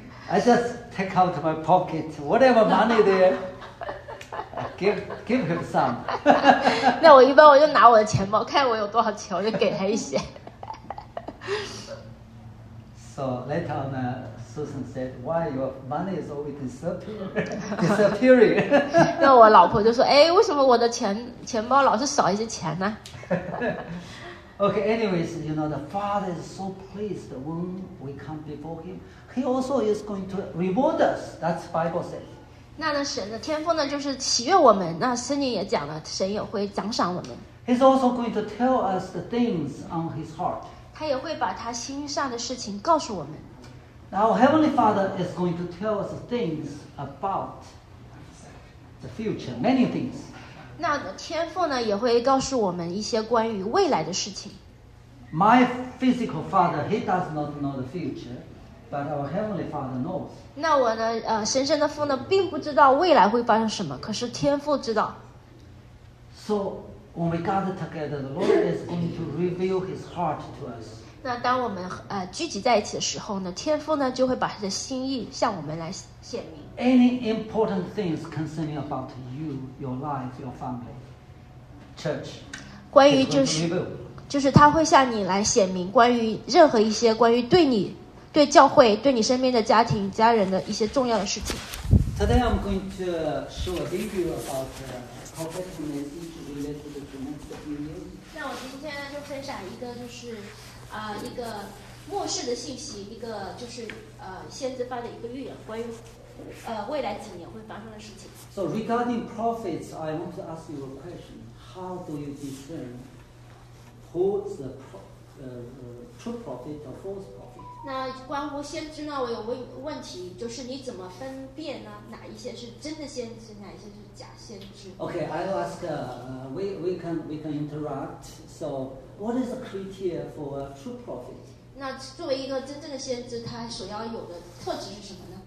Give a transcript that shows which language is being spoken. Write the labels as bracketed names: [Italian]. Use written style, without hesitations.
[English] I just take out my pocket, whatever money there. give him some. [Chinese] 那我一般我就拿我的钱包，看我有多少钱，我就给他一些。 [English] So later on, Susan said, "Why your money is always disappearing?" [Chinese] 那我老婆就说：“哎，为什么我的钱包老是少一些钱呢？” [English] Okay, anyways, you know, the Father is so pleased when we come before Him. He also is going to reward us. That's Bible says. [Chinese] 那呢，神的天父呢，就是喜悦我们。那圣经也讲了，神也会奖赏我们。 [English] He's also going to tell us the things on His heart. [Chinese] 他也会把他心上的事情告诉我们。 [English] Now, Heavenly Father is going to tell us things about the future, many things. [Chinese] 那天父呢也会告诉我们一些关于未来的事情。 [English] My physical father, he does not know the future, but our heavenly father knows. [Chinese] 那我呢，神圣的父呢，并不知道未来会发生什么，可是天父知道。 [English] So when we gather together, the Lord is going to reveal His heart to us. [Chinese] 那当我们聚集在一起的时候呢，天父呢就会把他的心意向我们来显明。 [English] Any important things concerning about you, your life, your family, church? [Chinese] 关于就是他会向你来显明关于任何一些关于对你、对教会、对你身边的家庭、家人的一些重要的事情。 [English] Today I'm going to show a video about how faithfulness is related to the next few years. [Chinese] 那我今天就分享一个就是一个末世的信息，一个就是先知发的一个预言，关于。未来几年会发生的事情。 [English] So regarding prophets, I want to ask you a question. How do you discern who's the true prophet or false prophet? [Chinese] 那关乎先知呢，我有问题，就是你怎么分辨呢？哪一些是真的先知，哪一些是假先知 [English] ？Okay, I'll ask. We can interact. So what is the criteria for a true prophet? [Chinese] 那作为一个真正的先知，他所要有的特质是什么？